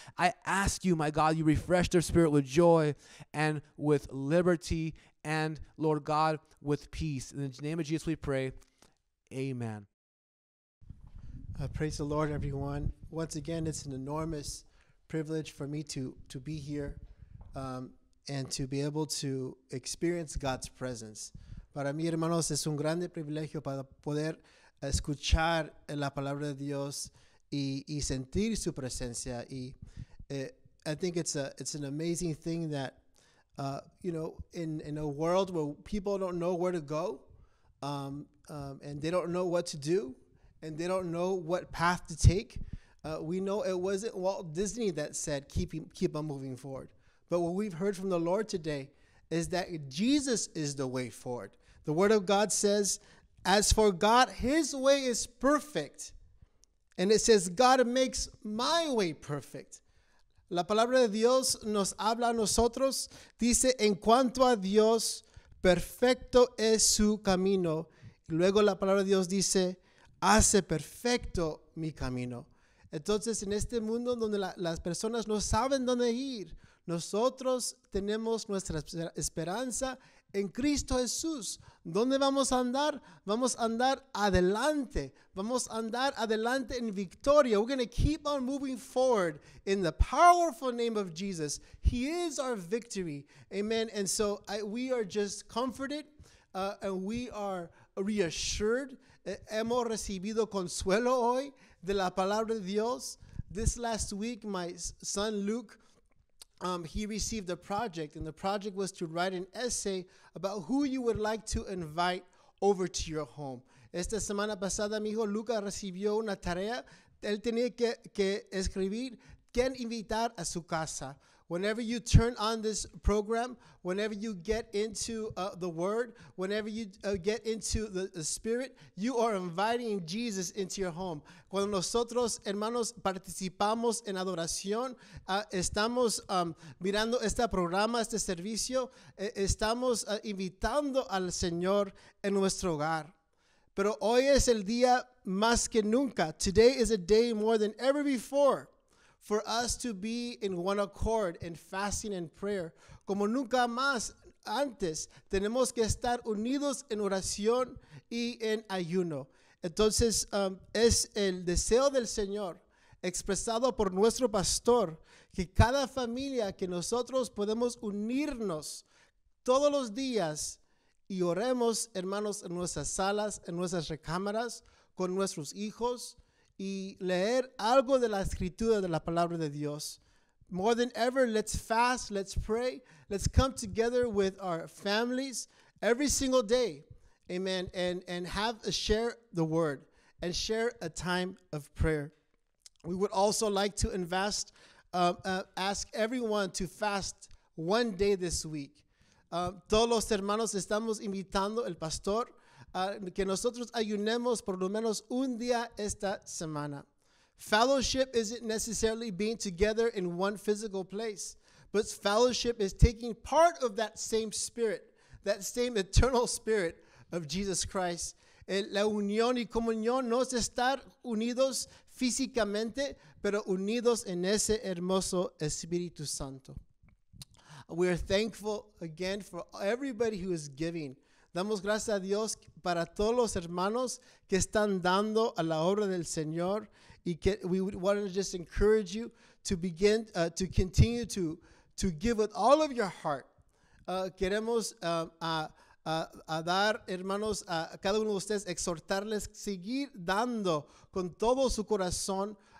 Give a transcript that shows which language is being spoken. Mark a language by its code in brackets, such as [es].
[en] I ask you, my God, you refresh their spirit with joy and with liberty, and Lord God, with peace. In the name of Jesus we pray, amen. Praise the Lord, everyone. Once again, it's an enormous privilege for me to be here and to be able to experience God's presence. [es] Para mí, hermanos, es un grande privilegio para poder escuchar la palabra de Dios y sentir su presencia. [en] I think it's an amazing thing that in a world where people don't know where to go, and they don't know what to do, and they don't know what path to take, We know it wasn't Walt Disney that said, keep on moving forward. But what we've heard from the Lord today is that Jesus is the way forward. The Word of God says, as for God, His way is perfect. And it says, God makes my way perfect. [es] La palabra de Dios nos habla a nosotros. Dice, en cuanto a Dios, perfecto es su camino. Luego la palabra de Dios dice, hace perfecto mi camino. Entonces, en este mundo donde las personas no saben dónde ir, nosotros tenemos nuestra esperanza en Cristo Jesús. ¿Dónde vamos a andar? Vamos a andar adelante. Vamos a andar adelante en victoria. [en] We're going to keep on moving forward in the powerful name of Jesus. He is our victory. Amen. And so we are just comforted and we are reassured. [es] Hemos recibido consuelo hoy de la palabra de Dios. [en] This last week, my son Luke, he received a project, and the project was to write an essay about who you would like to invite over to your home. [es] Esta semana pasada, mi hijo Luca recibió una tarea. Él tenía que escribir quién invitar a su casa. [en] Whenever you turn on this program, whenever you get into the Word, whenever you get into the Spirit, you are inviting Jesus into your home. [es] Cuando nosotros, hermanos, participamos en adoración, estamos mirando este programa, este servicio, estamos invitando al Señor en nuestro hogar. Pero hoy es el día más que nunca. [en] Today is a day more than ever before for us to be in one accord in fasting and prayer. [es] Como nunca más antes, tenemos que estar unidos en oración y en ayuno. Entonces, es el deseo del Señor, expresado por nuestro pastor, que cada familia que nosotros podemos unirnos todos los días y oremos, hermanos, en nuestras salas, en nuestras recámaras, con nuestros hijos, y leer algo de la escritura de la palabra de Dios. [en] More than ever, let's fast, let's pray, let's come together with our families every single day, amen, and have a share the word and share a time of prayer. We would also like to invest, ask everyone to fast one day this week. [es] Todos los hermanos estamos invitando al pastor que nosotros ayunemos por lo menos un día esta semana. [en] Fellowship isn't necessarily being together in one physical place, but fellowship is taking part of that same spirit, that same eternal spirit of Jesus Christ. [es] La unión y comunión no es estar unidos físicamente, pero unidos en ese hermoso Espíritu Santo. [en] We are thankful again for everybody who is giving. [es] Damos gracias a Dios para todos los hermanos que están dando a la obra del Señor. Y que, [en] we want to just encourage you to begin to continue to give with all of your heart. [es] Queremos dar, hermanos, a cada uno de ustedes, exhortarles, seguir dando con todo su corazón.